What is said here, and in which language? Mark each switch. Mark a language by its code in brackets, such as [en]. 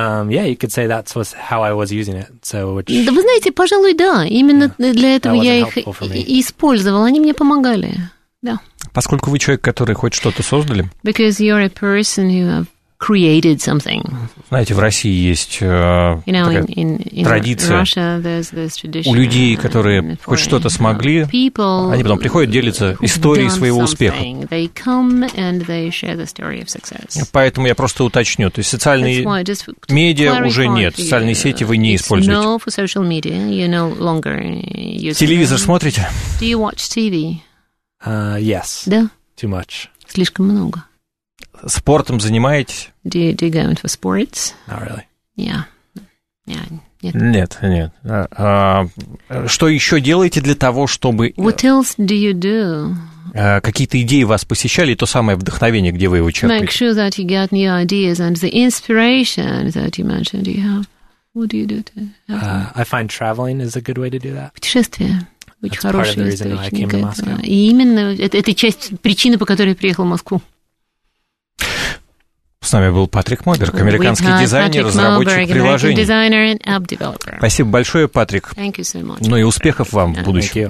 [en] Yeah, you could say that's was how I was using it. So, which, [ru] да, вы знаете, пожалуй, да. Именно для этого я их использовал. Они мне помогали. Да. Поскольку вы человек, который хоть что-то создали. [en] Because you're a person who have created something. [ru] Знаете, в России есть традиция. [en] Russia, there's this tradition, [ru] у людей, которые хоть что-то смогли, они потом приходят, делятся историей своего успеха. [en] They come and they share the story of success. [ru] Поэтому я просто уточню. То есть социальные медиа уже нет, социальные сети вы не используете. [en] No for social media. You're no longer using [ru] телевизор смотрите? [en] Do you watch TV? Yes. [ru] Да. [en] too much. [ru] Слишком много. Спортом занимаетесь? [en] Do you go into sports? Not really. Yeah. Yeah. [ru] Нет. Нет, нет. Что еще делаете для того, чтобы... [en] What else do you do? [ru] Какие-то идеи вас посещали, и то самое вдохновение, где вы его черпаете? [en] Make sure that you get new ideas and the inspiration that you mentioned you have. What do you do to I find traveling is a good way to do that. [ru] Путешествие. Очень хороший источник. И именно это часть причины, по которой я приехал в Москву. С нами был Патрик Моберг, американский дизайнер, разработчик приложений. Спасибо большое, Патрик. [en] Thank you so much. [ru] Ну и успехов вам в будущем.